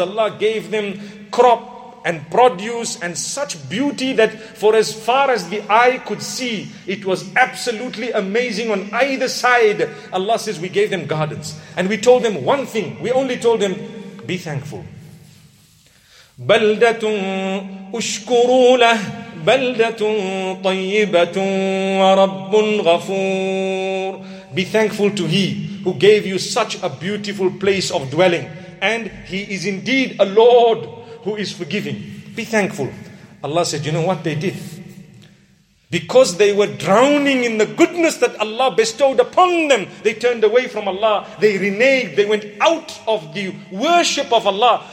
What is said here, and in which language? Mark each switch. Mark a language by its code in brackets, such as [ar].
[en] Allah gave them crop and produce and such beauty that for as far as the eye could see, it was absolutely amazing on either side. Allah says, we gave them gardens. And we told them one thing. We only told them, be thankful. [ar] بلدة أشكر له بلدة طيبة ورب غفور. [en] Be thankful to He who gave you such a beautiful place of dwelling, and He is indeed a Lord who is forgiving. Be thankful. Allah said, you know what they did? Because they were drowning in the goodness that Allah bestowed upon them, they turned away from Allah, they reneged, they went out of the worship of Allah.